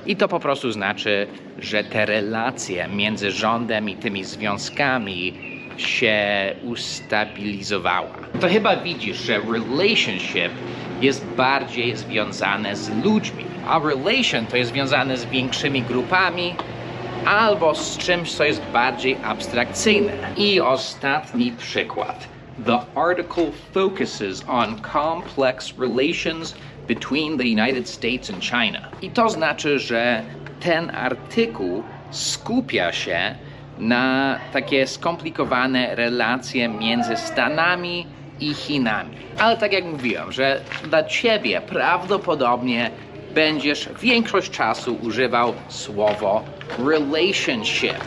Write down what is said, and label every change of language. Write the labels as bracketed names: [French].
[Polish] I to po prostu znaczy, że te relacje między rządem i tymi związkami się ustabilizowała. To chyba widzisz, że relationship jest bardziej związane z ludźmi. A relation to jest związane z większymi grupami albo z czymś, co jest bardziej abstrakcyjne. I ostatni przykład. [English] The article focuses on complex relations between the United States and China. [Polish] I to znaczy, że ten artykuł skupia się na takie skomplikowane relacje między Stanami i Chinami. Ale tak jak mówiłem, że dla ciebie prawdopodobnie będziesz większość czasu używał słowo relationship.